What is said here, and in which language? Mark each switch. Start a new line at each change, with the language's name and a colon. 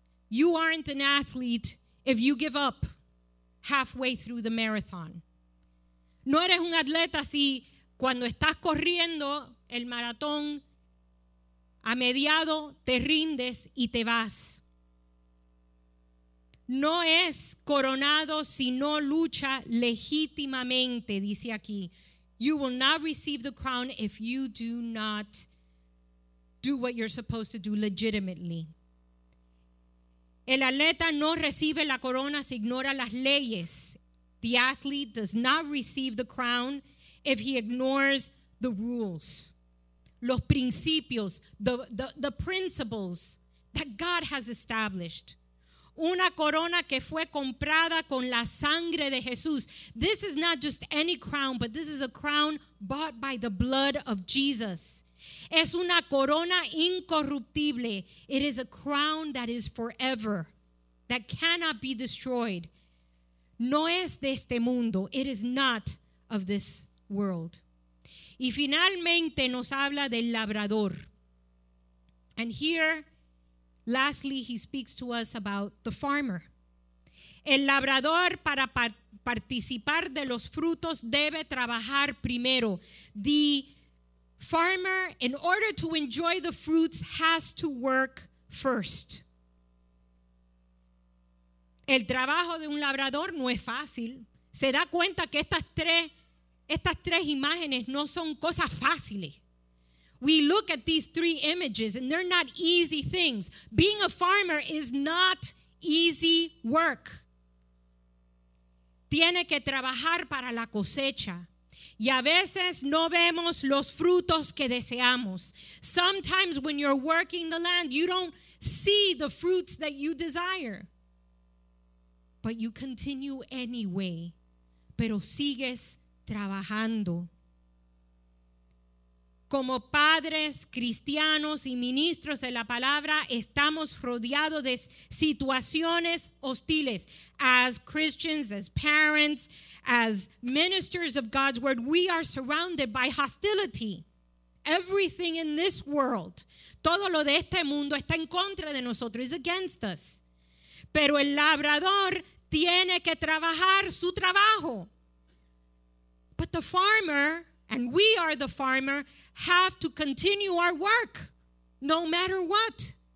English: You aren't an athlete if you give up halfway through the marathon.
Spanish: No eres un atleta si cuando estás corriendo el maratón a mediado te rindes y te vas. No es coronado si no lucha legítimamente, dice aquí.
English: You will not receive the crown if you do not do what you're supposed to do legitimately.
Spanish: El atleta no recibe la corona si ignora las leyes.
English: The athlete does not receive the crown if he ignores the rules,
Spanish: los principios,
English: the principles that God has established.
Spanish: Una corona que fue comprada con la sangre de Jesús.
English: This is not just any crown, but this is a crown bought by the blood of Jesus.
Spanish: Es una corona incorruptible.
English: It is a crown that is forever, that cannot be destroyed.
Spanish: No es de este mundo.
English: It is not of this world.
Spanish: Y finalmente nos habla del labrador.
English: And here, lastly, he speaks to us about the farmer.
Spanish: El labrador, para participar de los frutos, debe trabajar primero.
English: The farmer, in order to enjoy the fruits, has to work first.
Spanish: El trabajo de un labrador no es fácil. Se da cuenta que estas tres imágenes no son cosas fáciles.
English: We look at these three images and they're not easy things. Being a farmer is not easy work.
Spanish: Tiene que trabajar para la cosecha. Y a veces no vemos los frutos que deseamos.
English: Sometimes when you're working the land, you don't see the fruits that you desire. But you continue anyway.
Spanish: Pero sigues trabajando. Como padres, cristianos y ministros de la palabra, estamos rodeados de situaciones hostiles.
English: As Christians, as parents, as ministers of God's word, we are surrounded by hostility. Everything in this world,
Spanish: todo lo de este mundo está en contra de nosotros,
English: is against us.
Spanish: Pero el labrador tiene que trabajar su trabajo.
English: But the farmer, and we are the farmer, have to continue our work, no matter what.